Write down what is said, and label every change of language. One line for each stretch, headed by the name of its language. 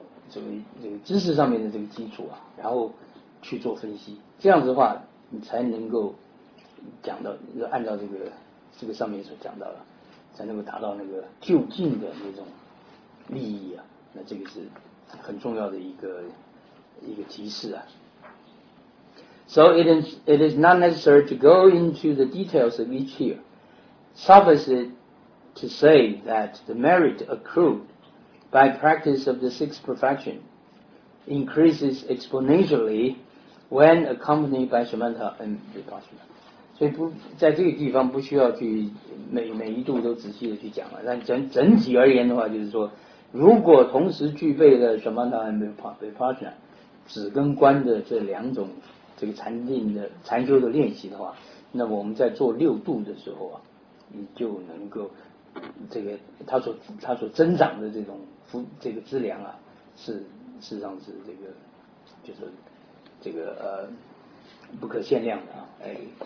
Chinese: 所谓这个知识上面的这个基础啊，然后去做分析，这样子的话你才能够讲到，就按照这个上面所讲到的，才能够达到那个就近的那种利益啊，那这个是很重要的一个提示啊。
English: So it is not necessary to go into the details of each year. Suffice it to say that the merit accrued by practice of the six perfection increases exponentially when accompanied by Samatha and Vipassana.
Chinese: 所以不在这个地方不需要去每一度都仔细的去讲了，但整体而言的话，就是说如果同时具备了 Samatha and Vipassana 止跟观的这两种这个禅修的练习的话，那么我们在做六度的时候啊，你就能够这个它所增长的这个资粮啊，是事实上是这个就是这个不可限量的啊，哎，